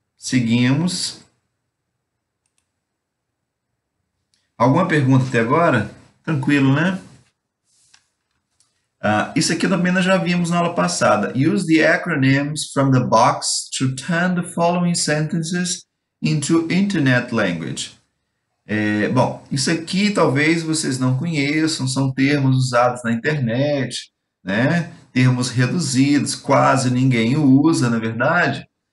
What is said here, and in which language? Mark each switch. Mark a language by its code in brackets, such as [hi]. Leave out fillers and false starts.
[pt] Seguimos. Alguma pergunta até agora? Tranquilo, né? Isso aqui também nós já vimos na aula passada. [en] Use the acronyms from the box to turn the following sentences into internet language. [pt] É, bom, isso aqui talvez vocês não conheçam, são termos usados na internet, né? Termos reduzidos, quase ninguém usa, na verdade.